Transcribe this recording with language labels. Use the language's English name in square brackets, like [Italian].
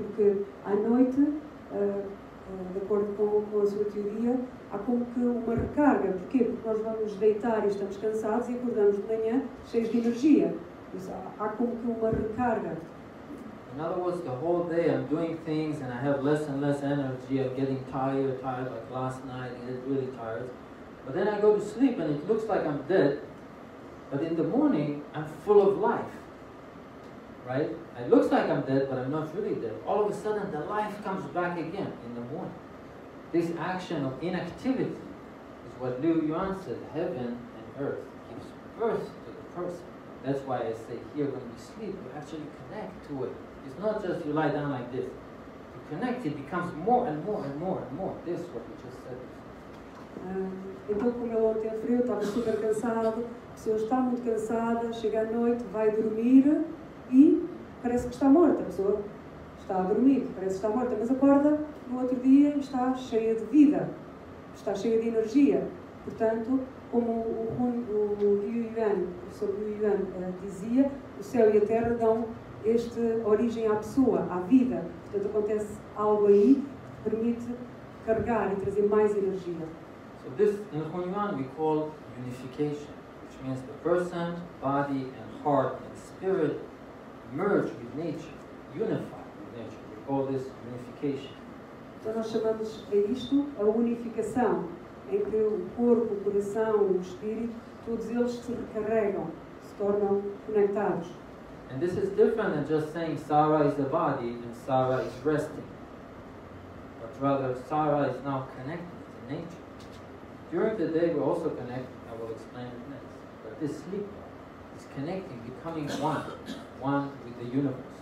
[Portuguese] Porque à noite, de acordo com a sua teoria, há como que uma recarga. Porquê? Porque nós vamos deitar e estamos cansados e acordamos de manhã cheios de energia. Há como que uma recarga. [English] In other words, the whole day I'm doing things and I have less and less energy. I'm getting tired, like last night, I get really tired. But then I go to sleep and it looks like I'm dead. But in the morning, I'm full of life. Right? It looks like I'm dead, but I'm not really dead. All of a sudden, the life comes back again in the morning. This action of inactivity is what Liu Yuan said, heaven and earth gives birth to the person. That's why I say here, when you sleep, you actually connect to it. It's not just you lie down like this. To connect, it becomes more and more and more and more. This is what you just said. [Portuguese] Então, como eu ontem frio, estava super cansado. A pessoa está muito cansada, chega à noite, vai dormir e parece que está morta. A pessoa está a dormir, parece que está morta, mas acorda no outro dia e está cheia de vida, está cheia de energia. Portanto, como o Liu Yuan, o professor Liu Yuan dizia, o céu e a terra dão esta origem à pessoa, à vida. Portanto, acontece algo aí que permite carregar e trazer mais energia. [English] So this, in Hun Yuan, we call unification, which means the person, body, and heart, and spirit merge with nature, unify with nature. We call this unification. [Portuguese] Então nós chamamos a isto a unificação, em que o corpo, o coração, o espírito, todos eles se recarregam, se tornam conectados. [English] And this is different than just saying Sara is a body and Sara is resting, but rather Sara is now connected to nature. During the day, we're also connected, I will explain it next. But this sleep is connecting, becoming one with the universe.